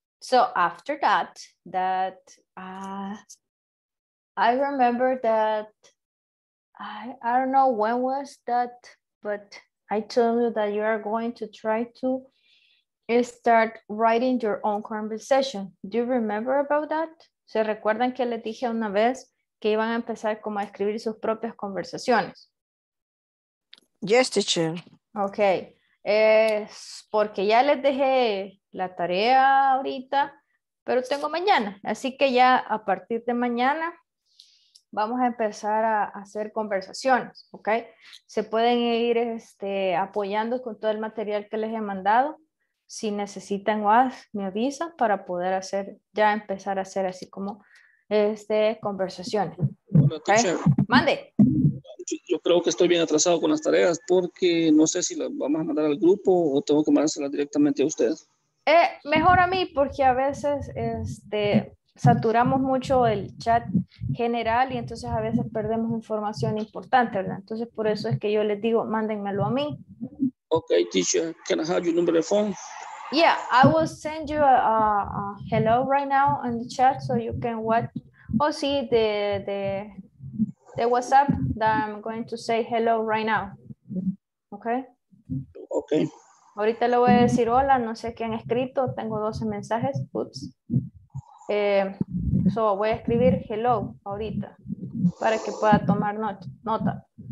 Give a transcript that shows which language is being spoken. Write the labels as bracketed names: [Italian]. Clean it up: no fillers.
[English] So after that I remember that I don't know when was that, but I told you that you are going to try to start writing your own conversation. Do you remember about that? [Spanish] ¿Se recuerdan que les dije una vez que iban a empezar como a escribir sus propias conversaciones? [English] Yes, teacher. Okay. [Spanish] Es porque ya les dejé la tarea ahorita, pero tengo mañana. Así que ya a partir de mañana vamos a empezar a hacer conversaciones, ¿ok? Se pueden ir apoyando con todo el material que les he mandado. Si necesitan más, me avisan para poder hacer, ya empezar a hacer así como conversaciones. Hola, teacher. ¿Okay? Mande. Yo creo que estoy bien atrasado con las tareas porque no sé si las vamos a mandar al grupo o tengo que mandárselas directamente a ustedes. Mejor a mí, porque a veces saturamos mucho el chat general y entonces a veces perdemos información importante, ¿verdad? Entonces por eso es que yo les digo, mándenmelo a mí. [English] Okay, teacher, can I have your number of phone? Yeah, I will send you a hello right now in the chat so you can watch. Oh, sí, the WhatsApp that I'm going to say hello right now. Okay? Okay. [Spanish] Ahorita le voy a decir hola, no sé qué han escrito, tengo 12 mensajes, oops. So voy a escribir hello ahorita para que pueda tomar nota.